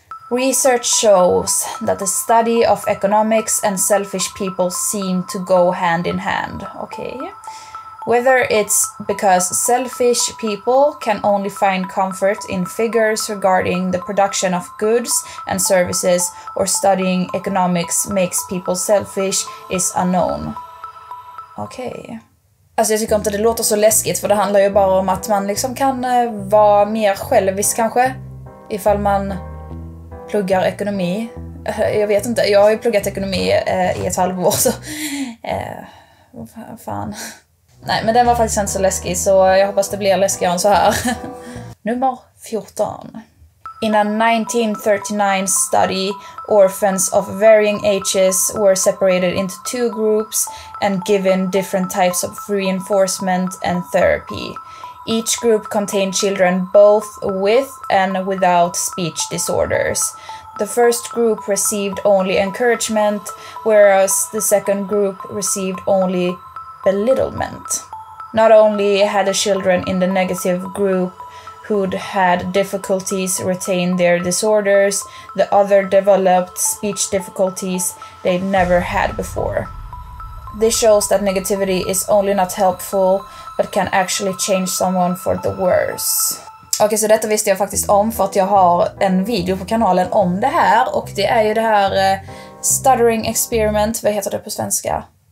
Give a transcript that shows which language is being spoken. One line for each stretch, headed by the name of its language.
English: Research shows that the study of economics and selfish people seem to go hand in hand.
Swedish: Okej.
English: Whether it's because selfish people can only find comfort in figures regarding the production of goods and services or studying economics makes people selfish is unknown.
Swedish: Okej.
English: Okay.
Swedish: Alltså jag tycker inte det låter så läskigt för det handlar ju bara om att man liksom kan vara mer självisk kanske ifall man pluggar ekonomi. Jag vet inte, jag har ju pluggat ekonomi i ett halvår så... fan... Nej, men den var faktiskt inte så läskig, så jag hoppas det blir läskigare än så här. Nummer 14.
English: In a 1939 study, orphans of varying ages were separated into two groups and given different types of reinforcement and therapy. Each group contained children both with and without speech disorders. The first group received only encouragement, whereas the second group received only belittlement. Not only had the children in the negative group who'd had difficulties retain their disorders, the other developed speech difficulties they'd never had before. This shows that negativity is only not helpful, but can actually change someone for the worse.
Swedish: Okej, så detta visste jag faktiskt om för att jag har en video på kanalen om det här. Och det är ju det här
English: stuttering experiment,
Swedish: vad heter det på svenska?